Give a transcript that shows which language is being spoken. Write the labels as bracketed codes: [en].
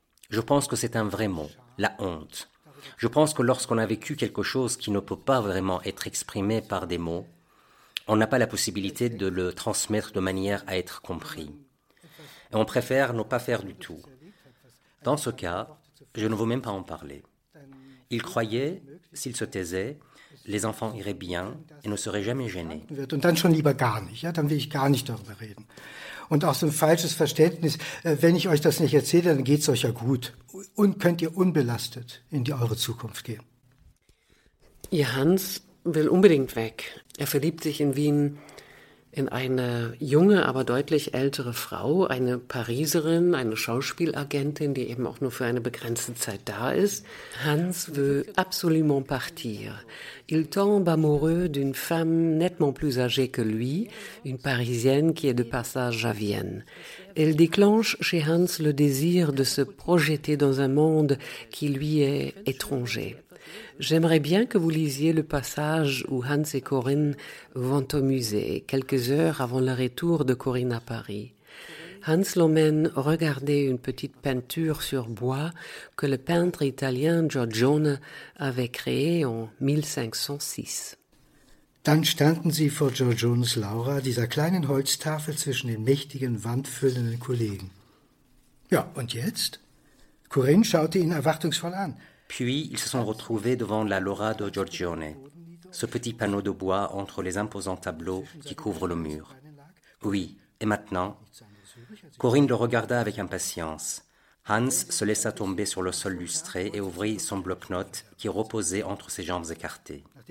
[fr] Je pense que c'est un vrai mot, la honte. Je pense que lorsqu'on a vécu quelque chose qui ne peut pas vraiment être exprimé par des mots, on n'a pas la possibilité de le transmettre de manière à être compris. Et on préfère ne pas faire du tout. Dans ce cas, je ne veux même pas en parler. Il croyait, s'il se taisait, les enfants iraient bien et ne seraient jamais gênés. [de] Und dann schon lieber gar nicht, ja, dann will ich gar nicht darüber reden. Und auch so ein falsches Verständnis, wenn ich euch das nicht erzähle, dann geht's euch ja gut und könnt ihr unbelastet in die eure Zukunft gehen. Ihr Hans will unbedingt weg. Er verliebt sich in Wien in eine junge, aber deutlich ältere Frau, eine Pariserin, eine Schauspielagentin, die eben auch nur für eine begrenzte Zeit da ist. [fr] Hans veut absolument partir. Il tombe amoureux d'une femme nettement plus âgée que lui, une Parisienne qui est de passage à Vienne. Elle déclenche chez Hans le désir de se projeter dans un monde qui lui est étranger. J'aimerais bien que vous lisiez le passage où Hans et Corinne vont au musée, quelques heures avant le retour de Corinne à Paris. Hans l'emmène regarder une petite peinture sur bois que le peintre italien Giorgione avait créée en 1506. [de] Dann standen sie vor Giorgiones Laura, dieser kleinen Holztafel zwischen den mächtigen, wandfüllenden Kollegen. Ja, und jetzt? Corinne schaute ihn erwartungsvoll an. [fr] Puis ils se sont retrouvés devant la Laura de Giorgione, ce petit panneau de bois entre les imposants tableaux qui couvrent le mur. Oui, et maintenant, Corinne le regarda avec impatience. Hans se laissa tomber sur le sol lustré et ouvrit son bloc-notes qui reposait entre ses jambes écartées.